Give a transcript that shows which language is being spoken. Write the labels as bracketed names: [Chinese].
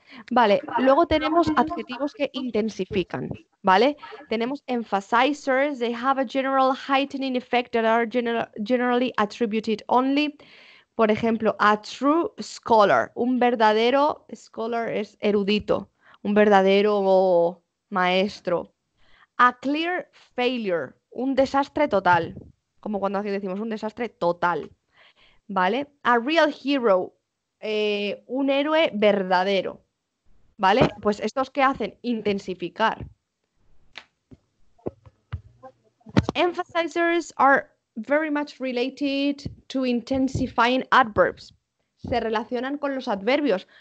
[Spanish] Vale, luego tenemos adjetivos que intensifican, ¿vale? [English] Tenemos emphasizers, they have a general heightening effect that are generally attributed only. [Spanish] Por ejemplo, [English] a true scholar, [Spanish] un verdadero scholar es erudito, un verdadero maestro. [English] A clear failure, [Spanish] un desastre total, como cuando aquí decimos un desastre total, ¿vale? [English] A real hero, [Spanish] un héroe verdadero. ¿Vale? Pues estos que hacen intensificar. [English] Emphasizers are very much related to intensifying adverbs. [Spanish] Se relacionan con los adverbios.